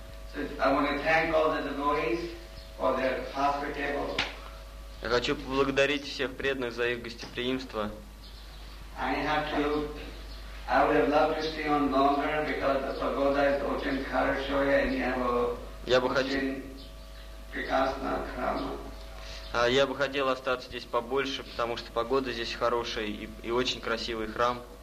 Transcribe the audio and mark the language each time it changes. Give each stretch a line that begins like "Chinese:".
English: So I want to thank all the devotees for their hospitable.
Russian: Я хочу поблагодарить всех преданных за их гостеприимство.
English: I would have loved to stay on longer because the pagoda is open Karshoya and
Russian: Я бы хотел остаться здесь побольше, потому что погода здесь хорошая и очень красивый храм.